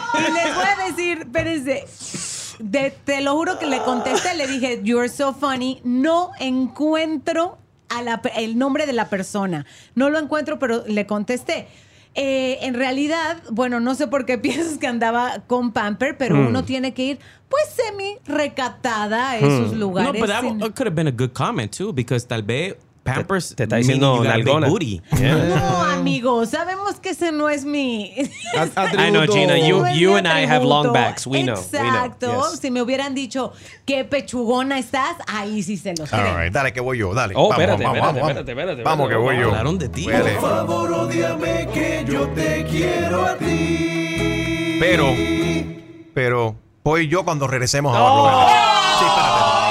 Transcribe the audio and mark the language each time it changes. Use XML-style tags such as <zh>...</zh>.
<es>Y les voy a decir, espérense. Te lo juro que le contesté, le dije,</es> <en>you're so funny.</en> <es>No encuentro el nombre de la persona. No lo encuentro, pero le contesté. En realidad, bueno, no sé por qué piensas que andaba con Pamper, pero uno tiene que ir, pues, semi recatada a esos lugares.</es> <en>No, but that could have been a good comment, too, because</en> <es>tal vez</es> <en>Pampers</en> <es>te está diciendo nalgona. Yeah. No, amigo, sabemos que ese no es mi...</es> <en>I know, Gina, you and I have long backs, we know.</en> <es>Exacto, yes. Si me hubieran dicho qué pechugona estás, ahí sí se los creen. Right. Dale, que voy yo, dale. Oh, espérate. Vamos, que voy yo. Hablaron de ti. Por favor, odiame que yo te quiero a ti. Pero, voy yo cuando regresemos a Barrio. Sí, espérate.</es>